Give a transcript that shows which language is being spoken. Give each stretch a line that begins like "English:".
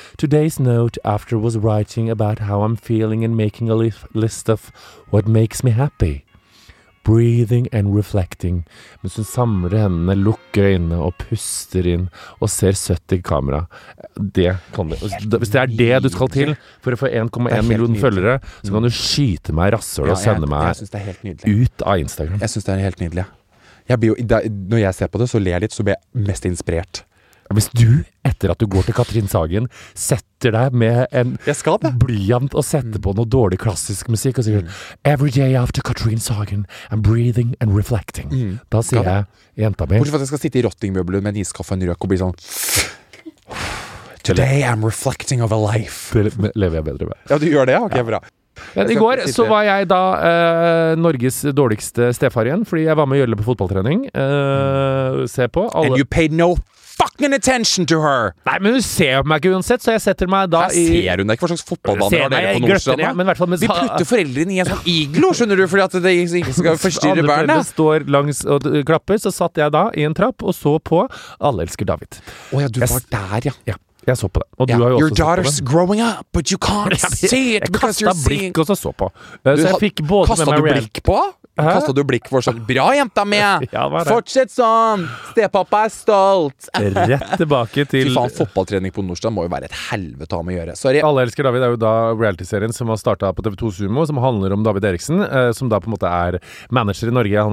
English: Today's note after was writing about how I'm feeling and making a list of what makes me happy. Breathing and reflecting.
Norwegian: Mens hun samler hendene, lukker øynene og puster inn og ser søtt i kamera. Det kan du. Hvis det er det du skal til for å få 1,1 million følgere, så kan du skyte meg rassel og sende meg ut av Instagram. Jeg synes det er helt nydelig. Når jeg ser på det, så ler jeg litt, så blir jeg mest inspirert. Hvis du, efter at du går til Katrin Sagen, sætter dig med en blyant og sætter på noget dårlig klassisk musik og siger Every day after Katrin Sagen, I'm breathing and reflecting. Mm. Da siger jeg, jenta mi. Hvorfor at jeg skal sitte i rottingmøbelen med en iskaffe og en røk og bli sånn Today I'm reflecting over life. Det lever jeg bedre med. Ja, du gjør det? Okay, ja. Bra. Men I går så var jeg da Norges dårligste stefar igjen, fordi jeg var med Jølle på fotballtrening. Se på.
English: Alle. And you paid no fucking attention to her.
Norwegian: Nei, men hun ser jo på meg ikke uansett, så jeg setter meg da i... Her ser hun deg ikke, hva slags fotballbaner har dere på Nordstrand? Ja, men hvertfall... Vi putter foreldrene i en sånn iglo, skjønner du, fordi at det ikke skal forstyrre barna. Andre foreldre står langs og klapper, så satt jeg da i en trapp og så på Alle elsker David. Åja, du var der, ja. Ja. Jeg så på det. Og du har jo også
English: Your daughter's growing up, but you can't see it because you're seeing...
Norwegian: Jeg kastet blikk og så på. Så jeg fikk både med meg... Kastet du blikk på? Kastet du blikk for sånn, bra jenta mi! Fortsett sånn! Stepappa stolt! Rett tilbake til... Fy faen, fotballtrening på Nordstrand må jo være et helvete om å gjøre. Sorry. Alle elsker David er jo da reality-serien som har startet på TV2 Sumo, som handler om David Eriksen, som da på en måte manager i Norge.